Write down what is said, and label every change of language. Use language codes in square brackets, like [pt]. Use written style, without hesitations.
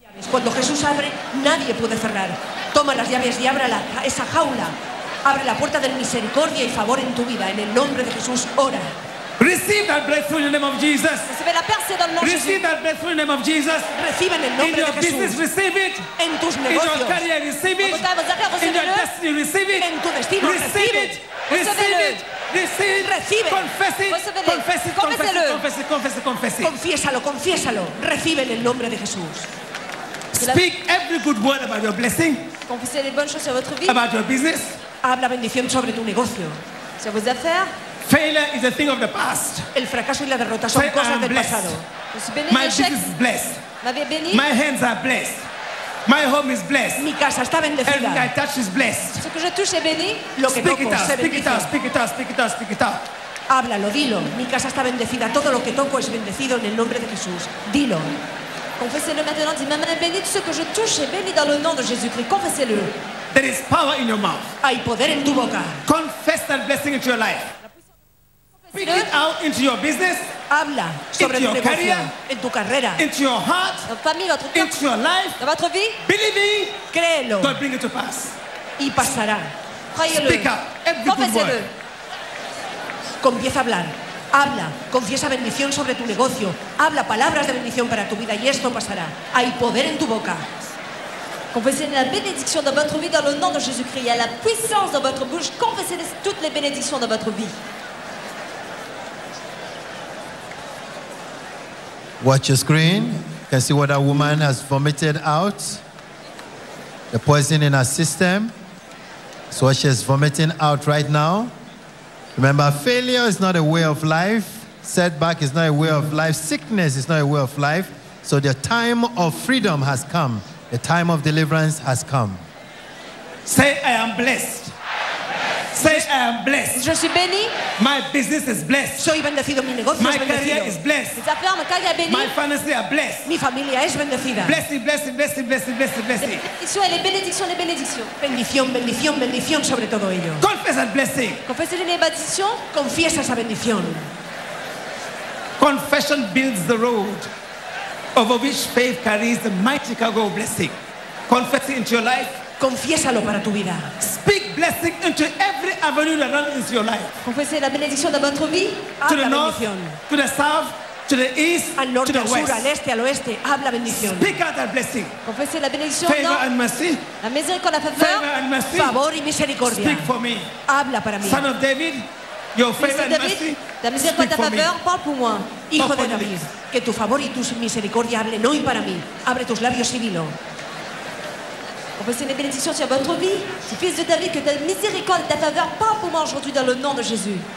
[es] Cuando Jesús abre, nadie puede cerrar. Toma las llaves y abra esa jaula. Abre la puerta de misericordia y favor en tu vida. En el nombre de Jesús, ora. [en] Receive that blessing in the name of Jesus. Receive that blessing in the name of Jesus. [es] Recibe en el nombre de Jesús. [en] In your business, receive it. [es] En tus negocios. [en] In your career, receive it. In your destiny, receive it. [es] En tu destino, [en] receive it. Receive it. Receive it. [es] Recibe. [en] Confess it. Confess it. Confess it. Confess it. Confess it. [es] Confiésalo. Confiésalo. Recibe en el nombre de Jesús. [en] Speak every good word about your blessing. [fr] Confiese les bonnes choses sur votre vie. [en] About your business. [es] Habla bendición sobre tu negocio. [fr] Sur vos affaires. [en] Failure is a thing of the past. [es] El fracaso y la derrota son cosas del pasado. [en] My business is blessed. My hands are blessed. My home is blessed. [es] Mi casa está bendecida. [en] Everything I touch is blessed. [fr] Ce que je touche est béni. [es] Lo que toco se bendice. [en] Speak it out. Speak it out. Speak it out. Speak it out. [es] Háblalo, dilo. Mi casa está bendecida. Todo lo que toco es bendecido en el nombre de Jesús. Dilo. [fr] Confessez-le maintenant. Dis, ma main est bénie. Tout ce que je touche est béni dans le nom de Jésus-Christ. Confessez-le. [en] There is power in your mouth. [es] Hay poder en tu boca. [en] Confess that blessing into your life. Speak it out into your business, [es] habla sobre [en] into your [es] negocio, [en] career, [es] en tu carrera, [en] into your heart, [es] en familia, en tu cuerpo, [en] into your life, [fr] en votre vie, [en] believe me, [es] créelo, [en] God bring it to pass, [es] y pasará. [en] Speak up, every good word. [es] Comienza a hablar, habla, confiesa bendición sobre tu negocio, habla palabras de bendición para tu vida y esto pasará. Hay poder en tu boca. [fr] Confessez la bénédiction dans votre vie dans le nom de Jésus-Christ. Il y a la puissance dans votre bouche. Confessez toutes les bénédictions dans votre vie. [en] Watch your screen. You can see what that woman has vomited out. The poison in her system. So what she's vomiting out right now. Remember, failure is not a way of life. Setback is not a way of life. Sickness is not a way of life. So the time of freedom has come. The time of deliverance has come. Say, I am blessed. Say, I am blessed. [fr] Je suis béni. [en] My business is blessed. [es] Soy bendecido. Mi negocio [en] my [es] es bendecido. [en] Career is blessed. [fr] Affaires, [en] my finances are blessed. [es] Mi familia es bendecida. [en] Blessing, blessing, blessing, blessing, blessing, blessing. [fr] Les bénédictions, les bénédictions. [es] Bendición, bendición, bendición sobre todo ello. [en] Confess that blessing. [es] Confiesa la bendición. Confiesa esa bendición. [en] Confession builds the road over which faith carries the mighty cargo of blessing. Confess it into your life. [es] Confiésalo para tu vida. [en] Speak blessing into every avenue that runs into your life. [es] Confiese la bendición [fr] de votre vie. [en] To the north, to the south, to the east, [es] al norte, [en] to the [es] al [en] west. [es] Sur, al este, al oeste. Habla bendición. [en] Speak out that blessing. [es] Confiese la bendición. [en] Favor and mercy. [es] La miséricorda, favor. [en] Favor and mercy. [es] Favor y misericordia. [en] Speak for me. [es] Habla para mí. [en] Son of David, your favor and mercy. [fr] La miséricorda, favor, parle pour moi. [es] Hijo de David, que tu favor y tu misericordia hablen hoy para mí. Abre tus labios y dilo. [fr] Confessez mes bénédictions sur votre vie. Fils de David, que ta miséricorde et ta faveur parlent pour moi aujourd'hui dans le nom de Jésus.